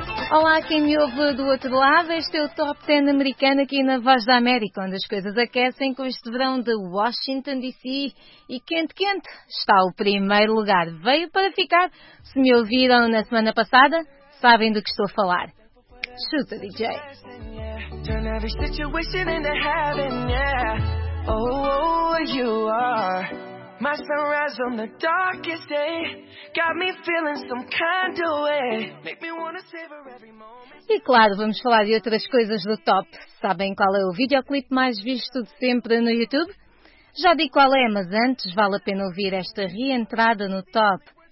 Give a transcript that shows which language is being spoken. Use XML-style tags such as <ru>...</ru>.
<pt>Olá, quem me ouve do outro lado, este é o Top 10 americano aqui na Voz da América, onde as coisas aquecem com este verão de Washington DC e quente, quente, está o primeiro lugar. Veio para ficar. Se me ouviram na semana passada, sabem do que estou a falar. Chuta, DJ.</pt> <en>Turn every situation into heaven, yeah. Oh, you are my sunrise on the darkest day. Got me feeling some kind of way. Make me wanna savor every moment.</en> <pt>E claro, vamos falar de outras coisas do top. Sabem qual é o videoclipe mais visto de sempre no YouTube? Já digo qual é, mas antes vale a pena ouvir esta reentrada no top.</pt>